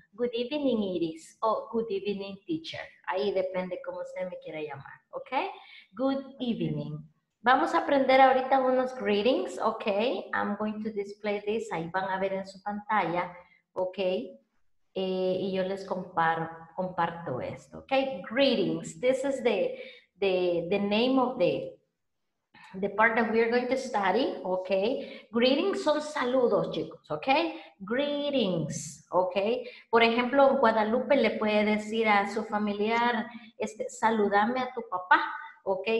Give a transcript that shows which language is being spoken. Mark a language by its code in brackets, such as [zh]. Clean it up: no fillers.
[en] Good evening, Iris, o good evening, teacher. [es] Ahí depende cómo usted me quiera llamar, ¿ok? [en] Good evening. [es] Vamos a aprender ahorita unos greetings, ¿ok? [en] I'm going to display this. [es] Ahí van a ver en su pantalla, ¿ok? Y yo les comparto esto, ¿ok? Greetings. [en] This is the name of the part that we are going to study, ¿ok? [es] Greetings son saludos, chicos, ¿ok? Greetings, ¿ok? Por ejemplo, Guadalupe le puede decir a su familiar, saludame a tu papá, ¿ok?